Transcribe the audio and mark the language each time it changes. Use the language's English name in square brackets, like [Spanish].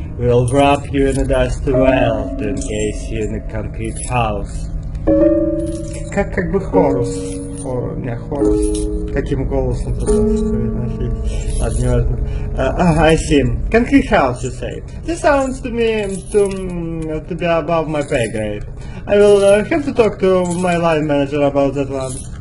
[English] We'll wrap you in a dust of wealth and case you in a concrete house. [Russian] Как бы хорус. Не хорус. Каким голосом пытался сказать? [English] I see. Concrete house, you say. This sounds to me to be above my pay grade. I will have to talk to my line manager about that one.